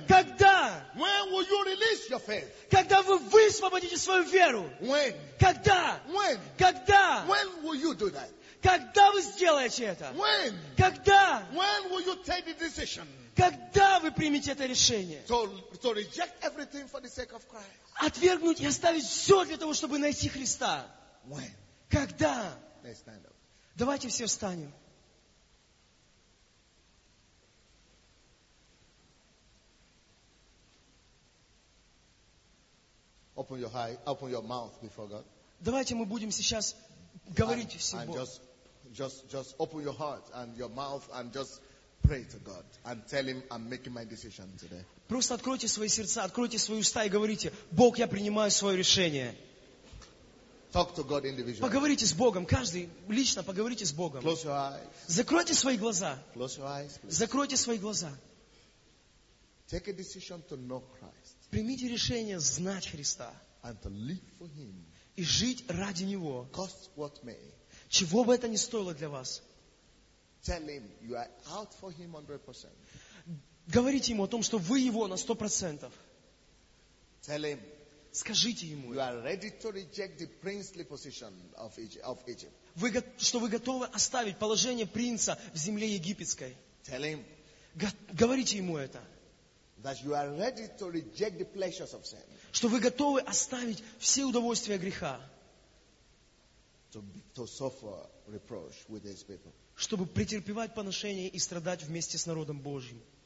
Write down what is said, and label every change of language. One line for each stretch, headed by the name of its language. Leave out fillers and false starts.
Russian: Когда?
English: When will you release your faith?
Russian: Когда вы высвободите свою веру?
English: When?
Russian: Когда?
English: When?
Russian: Когда?
English: When will you do that?
Russian: Когда вы сделаете это?
English: When?
Russian: Когда?
English: When will you take the decision?
Russian: Когда вы примете это решение?
English: To reject everything for the sake of Christ.
Russian: Отвергнуть и оставить все для того, чтобы найти Христа.
English: When?
Russian: Когда?
English: Let's stand up.
Russian: Давайте все встанем.
English: Open your eye, open your mouth before God.
Russian: Давайте мы будем сейчас говорить всем Богу.
English: Just open your heart and your mouth and just pray to God and tell him I'm making my decision today.
Russian: Просто откройте свои сердца, откройте свои уста и говорите: Бог, я принимаю свое решение.
English: Talk to God individually.
Russian: Поговорите с Богом, каждый лично поговорите с Богом.
English: Close your eyes.
Russian: Закройте свои глаза.
English: Close your eyes, please.
Russian: Закройте свои глаза.
English: Take a decision to know Christ.
Russian: Примите решение знать Христа.
English: And to live for him.
Russian: И жить ради него.
English: Cost what may.
Russian: Чего бы это ни стоило для вас.
English: Tell him you are out for him 100%.
Russian: Говорите ему о том, что вы его на 100%.
English: Tell him.
Russian: Скажите ему.
English: You are ready to reject the princely position of Egypt.
Russian: Вы что вы готовы оставить положение принца в земле египетской?
English: Tell him.
Russian: Говорите ему это.
English: That you are ready to reject the pleasures of sin.
Russian: Что вы готовы оставить все удовольствия греха.
English: To suffer reproach with these people.
Russian: Чтобы претерпевать поношение и страдать вместе с народом Божьим.